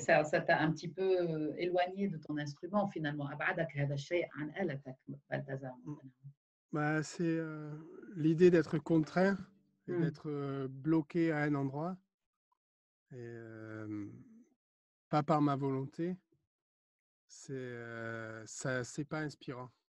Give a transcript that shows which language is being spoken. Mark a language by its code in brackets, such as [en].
[fr] ça t'a un petit peu éloigné de ton instrument finalement. [ar] أبعدك هذا الشيء عن آلتك بالتزامن. [fr] Bah c'est l'idée d'être contraint, d'être bloqué à un endroit. Et, pas par ma volonté, c'est ça, c'est pas inspirant.